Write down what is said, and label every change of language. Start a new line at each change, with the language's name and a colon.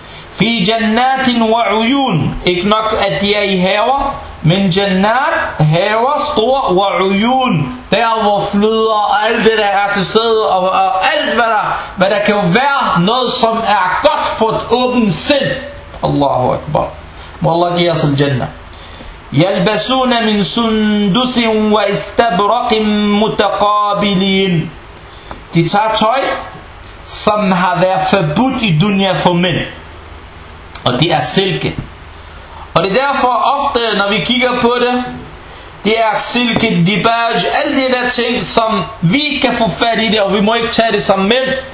Arabic: Fi jannatin wa uyun.
Danish: Ikke nok, at de er i haver, men jannat, haver, store, wa uyun. Der, hvor flyder og alt det, der er til stede, og alt, hvad der kan være, noget, som er godt for et åbent sind. Allahu Akbar. Må Allah give os al-jannah.
Arabic: يلبسون من سندس واستبرق متقابلين.
Danish: De tager tøj, som har været forbudt i dunya for mænd. Og det er silke. Og det er derfor ofte, når vi kigger på det, det er silke, dibaj, alle de der ting, som vi kan få fat i det, og vi må ikke tage det som mænd.